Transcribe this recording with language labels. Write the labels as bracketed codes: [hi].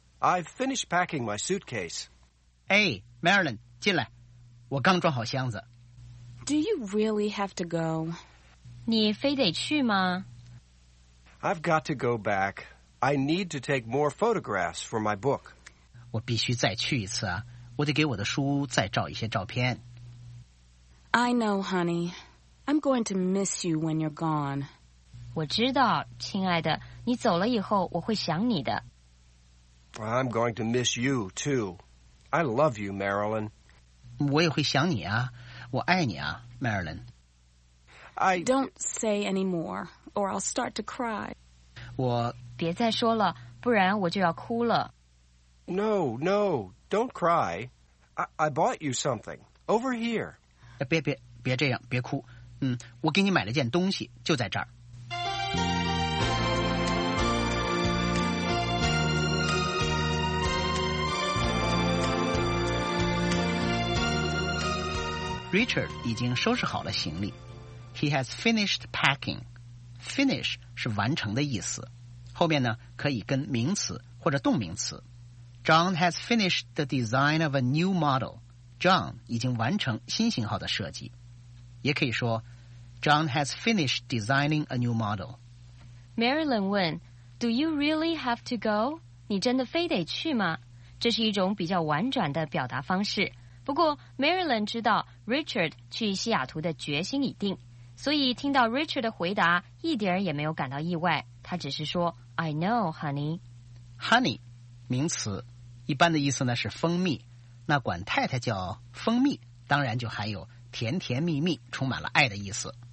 [en] I've finished packing my suitcase. Hey, Marilyn, [zh] 进来。我刚装好箱子。 [en] Do you really have to go? [zh] 你非得去吗？ [en] I've got to go back. I need to take more photographs for my book. [zh] 我必须再去一次啊，我得给我的书再照一些照片。 [en] I know, honey. I'm going to miss you when you're gone. [zh] 我知道，亲爱的，你走了以后我会想你的。 [en] I'm going to miss you, too. I love you, Marilyn. [zh] 我也会想你啊，我爱你啊，Marilyn。 [en] I don't say any more, or I'll start to cry. [zh] 我别再说了，不然我就要哭了。 [en] No, don't cry. I bought you something over here. [zh] 别这样，别哭。我给你买了件东西，就在这儿。 Richard 已经收拾好了行李。 [en] He has finished packing. [zh] Finish 是完成的意思，后面呢可以跟名词或者动名词。 [en] John has finished the design of a new model. John [zh] 已经完成新型号的设计，也可以说 [en] John has finished designing a new model. Marilyn [zh] 问 [en] Do you really have to go? [zh] 你真的非得去吗？这是一种比较婉转的表达方式。不过 Marilyn 知道 Richard 去西雅图的决心已定，所以听到 Richard 的回答一点也没有感到意外，他只是说 [en] I know, honey. [zh] Honey, 名词，一般的意思呢是蜂蜜，那管太太叫蜂蜜，当然就含有甜甜蜜蜜，充满了爱的意思。